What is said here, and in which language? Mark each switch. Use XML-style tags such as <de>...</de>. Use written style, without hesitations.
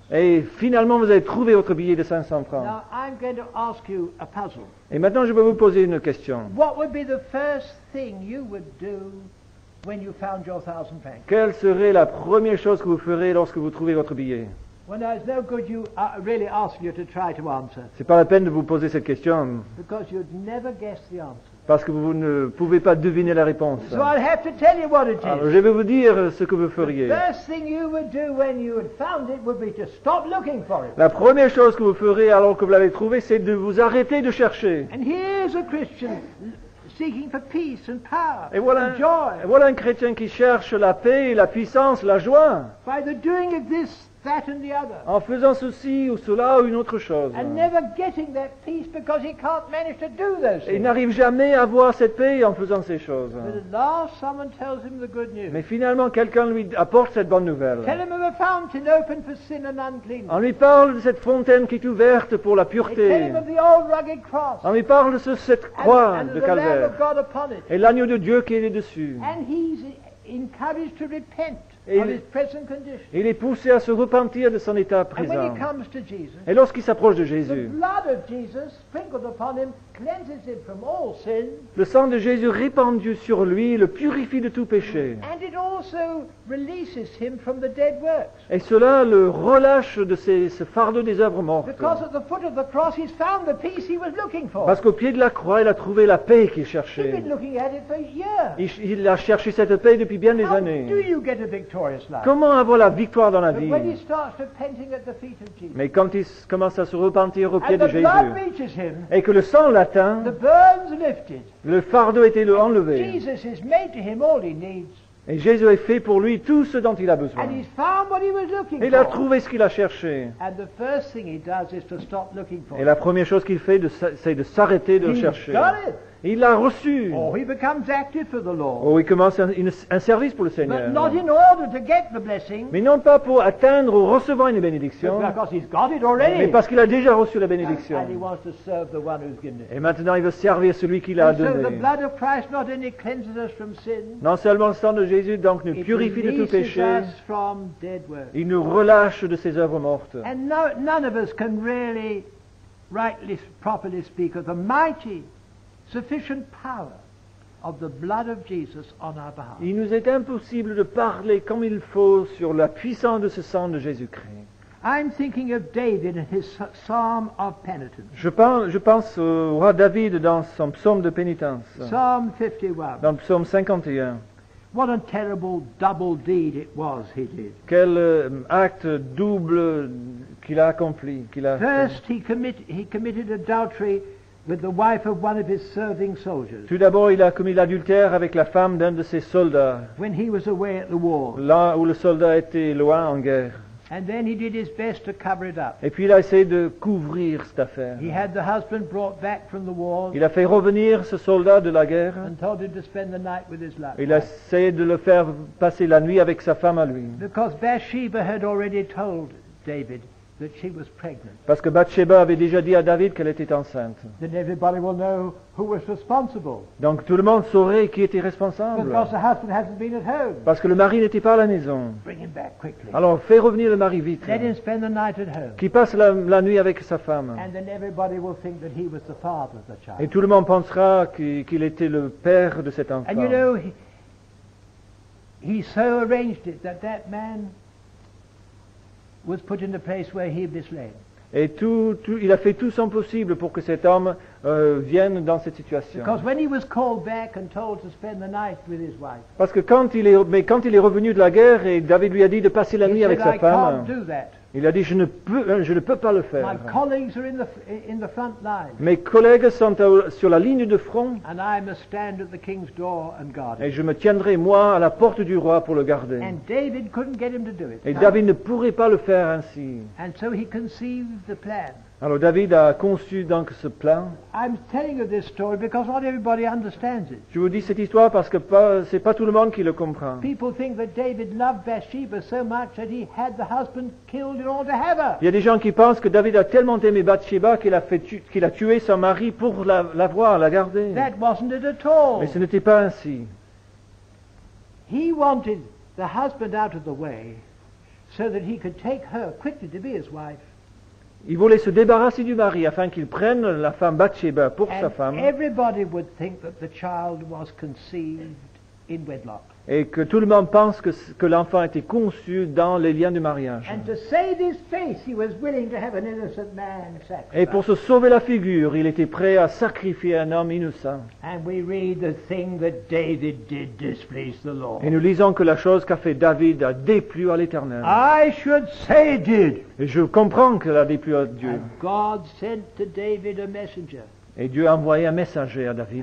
<fr>Et finalement, vous avez trouvé votre billet de 500 francs.</fr> <en>Now, I'm going to ask you a puzzle.</en> <fr>Et maintenant, je vais vous poser une question.</fr> <en>What would be the first thing you would do when you found your 1000 francs?</en> <fr>Quelle serait la première chose que vous ferez lorsque vous trouvez votre billet?</fr> <en>Well, now it's no good you really ask you to try to answer.</en> <fr>C'est pas la peine de vous poser cette question.</fr> <en>Because you'd never guess the answer.</en> <fr>Parce que vous ne pouvez pas deviner la réponse.</fr> <en>So I'll have to tell you what it is.</en> <fr>Alors, je vais vous dire ce que vous feriez.</fr> <en>The first thing you would do when you had found it would be to stop looking for it.</en> <fr>La première chose que vous ferez alors que vous l'avez trouvé, c'est de vous arrêter de chercher.</fr> <en>And here's a Christian seeking for peace and power,</en> <fr>et voilà,</fr> <en>and joy.</en> <fr>Et voilà un chrétien qui cherche la paix, la puissance, la joie.</fr> <en>By the doing of this, that and the other.</en> <fr>En faisant ceci ou cela ou une autre chose.</fr> <en>And never getting that peace because he can't manage to do those things.</en> <fr>Et il n'arrive jamais à avoir cette paix en faisant ces choses.</fr> <en>But at last someone tells him the good news.</en> <fr>Mais finalement quelqu'un lui apporte cette bonne nouvelle.</fr> <en>Tell him of a fountain open for sin and unclean.</en> <fr>On lui parle de cette fontaine qui est ouverte pour la pureté.</fr> <en>And tell him of the old rugged cross.</en> <fr>On lui parle de cette croix de calvaire.</fr> <en>And the Lamb of God upon it.</en> <fr>Et l'agneau de Dieu qui est dessus.</fr> <en>And he's encouraged to repent. Et of his present condition.</en> <fr>Il est poussé à se repentir de son état présent.</fr> <en>And when he comes to Jesus,</en> <fr>et lorsqu'il s'approche de Jésus,</fr> <en>the blood of Jesus sprinkled upon him cleanses him from all sin.</en> <fr>Le sang de Jésus répandu sur lui le purifie de tout péché.</fr> <en>And it also releases him from the dead works.</en> <fr>Et cela le relâche de ce fardeau des œuvres mortes. Parce qu'au pied de la croix, il a trouvé la paix qu'il cherchait.</fr> <en>He's been looking at it for years.</en> <fr>Il a cherché cette paix depuis bien des années.</fr> <en>How do you get a victorious life?</en> <fr>Comment avoir la victoire dans la vie?</fr> <en>But when he starts repenting at the feet of Jesus.</en> <fr>Mais quand il commence à se repentir au pied</fr> <en>and</en> <fr>de Jésus,</fr> <en>the blood reaches him,</en> <fr>et que le sang l'atteint,</fr> <en>the burden's lifted,</en> <fr>le fardeau était enlevé.</fr> <en>Jesus has made to him all he needs.</en> <fr>Et Jésus a fait pour lui tout ce dont il a besoin.</fr> <en>And he's found what he was looking</en> <fr>et il a trouvé ce qu'il a cherché.</fr> <en>And the first thing he does is to stop looking for.</en> <fr>Et la première chose qu'il fait, c'est de s'arrêter de</fr> <en>he's</en> <fr>le chercher.</fr> <en>Got it.</en> <fr>Il l'a reçu.</fr> <en>Oh, he becomes active for the Lord.</en> <fr>Oh, il commence un service pour le Seigneur.</fr> <en>But not in order to get the blessing,</en> <fr>mais non pas pour atteindre ou recevoir une bénédiction.</fr> <en>But because he's got it already.</en> <fr>Mais parce qu'il a déjà reçu la bénédiction.</fr> <en>And he wants to serve the one who's given it.</en> <fr>Et maintenant, il veut servir celui qui l'a donné.</fr> <en>So the blood of Christ not only cleanses us from sin,</en> <fr>non seulement le sang de Jésus donc nous purifie de tout péché,</fr> <en>releases us from dead works.</en> <fr>Il nous relâche de ses œuvres mortes.</fr> <en>And no, none of us can really rightly, properly speak of the mighty sufficient power of the blood of Jesus on our behalf.</en> <fr>Il nous est impossible de parler comme il faut sur la puissance de ce sang de Jésus-Christ.</fr> <en>I'm thinking of David in his psalm of penitence.</en> <fr>Je pense au roi David dans son psaume de pénitence.</fr> <en>Psalm 51.</en> <fr>Dans le psaume 51.</fr> <en>What a terrible double deed it was he did.</en> <fr>Quel acte double qu'il a accompli, qu'il a</fr> <en>first</en> <fr>fait.</fr> <en>he committed adultery with the wife of one of his serving soldiers.</en> <fr>Tout d'abord, il a commis l'adultère avec la femme d'un de ses soldats.</fr> <en>When he was away at the war.</en> <fr>Là où le soldat était loin en guerre.</fr> <en>And then he did his best to cover it up.</en> <fr>Et puis il a essayé de couvrir cette affaire.</fr> <en>He had the husband brought back from the war.</en> <fr>Il a fait revenir ce soldat de la guerre.</fr> <en>And told him to spend the night with his love.</en> <fr>Il a essayé de le faire passer la nuit avec sa femme à lui.</fr> <en>Because Bathsheba had already told David that she was pregnant.</en> <fr>Parce que Bathsheba avait déjà dit à David qu'elle était enceinte.</fr> <en>Then everybody will know who was responsible.</en> <fr>Donc tout le monde saurait qui était responsable.</fr> <en>Because the husband hasn't been at home.</en> <fr>Parce que le mari n'était pas à la maison.</fr> <en>Bring him back quickly.</en> <fr>Alors fais revenir le mari vite.</fr> <en>Let him spend the night at home.</en> <fr>Qu'il passe la nuit avec sa femme.</fr> <en>And then everybody will think that he was the father of the child.</en> <fr>Et tout le monde pensera qu'il était le père de cet enfant.</fr> <en>And you know, he so arranged it that man was put in a place where he'd be slain.</en> <fr>Et tout, il a fait tout son possible pour que cet homme vienne dans cette situation.</fr> <en>Because when he was called back and told to spend the night with his wife.</en> <fr>Parce que quand il est revenu de la guerre et David lui a dit de passer la nuit avec sa femme. Il a dit je ne peux pas le faire.</fr> <en>My colleagues are in the front line.</en> <fr>Mes collègues sont sur la ligne de front.</fr> <en>And I must stand at the king's door and guard it.</en> <fr>Et je me tiendrai moi à la porte du roi pour le garder.</fr> <en>And David couldn't get him to do it.</en> <fr>Et David ne pourrait pas le faire ainsi.</fr> <en>And so he conceived the plan.</en> <fr>Alors David a conçu donc ce plan.</fr> <en>I'm telling you this story because not everybody understands it.</en> <fr>Je vous dis cette histoire parce que c'est pas tout le monde qui le comprend.</fr> <en>People think that David loved Bathsheba so much that he had the husband killed in order to have her.</en> <fr>Il y a des gens qui pensent que David a tellement aimé Bathsheba qu'il a tué son mari pour l'avoir, la garder.</fr> <en>That wasn't it at all.</en> <fr>Mais ce n'était pas ainsi.</fr> <en>He wanted the husband out of the way so that he could take her quickly to be his wife.</en> <fr>Il voulait se débarrasser du mari afin qu'il prenne la femme Bathsheba pour sa femme.</fr> <en>Everybody would think that the child was conceived in wedlock.</en> <fr>Et que tout le monde pense que l'enfant était conçu dans les liens du mariage.</fr> <en>And to save his face, he was willing to have an innocent man sacrificed.</en> <fr>Et pour se sauver la figure, il était prêt à sacrifier un homme innocent.</fr> <en>And we read the thing that David did displease the Lord.</en> <fr>Et nous lisons que la chose qu'a fait David a déplu à l'Éternel.</fr> <en>I should say it did.</en> <fr>Et je comprends qu'elle a déplu à Dieu.</fr> <en>And God sent to David a messenger.</en> <fr>Et Dieu a envoyé un messager à David.</fr>